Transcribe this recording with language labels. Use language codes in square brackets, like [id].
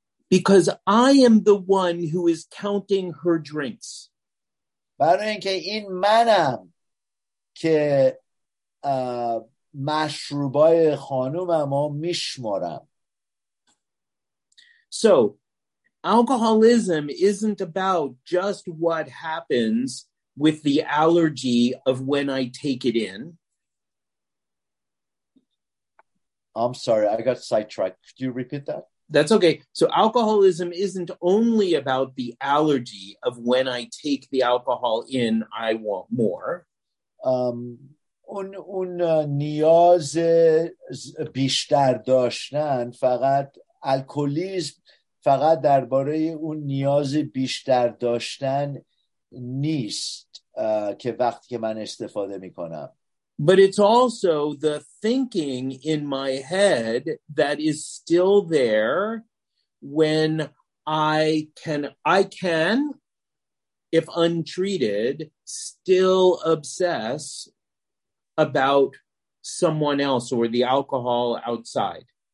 [en] Because I am the one who is counting her drinks. [fa] برای اینکه این منم که مشروبای خانومم رو میشمارم. [en] So, alcoholism isn't about just what happens with the allergy of when I take it in. I'm sorry, I got sidetracked. Could you repeat that? That's okay. So alcoholism isn't only about the allergy of when I take the alcohol in, I want more. [fa] اون نیاز بیشتر داشتن فقط الکلیسم فقط درباره اون نیاز بیشتر داشتن نیست که وقتی که من استفاده میکنم. [en] But it's also the thinking in my head that is still there when I can if untreated still obsess about someone else or the alcohol outside.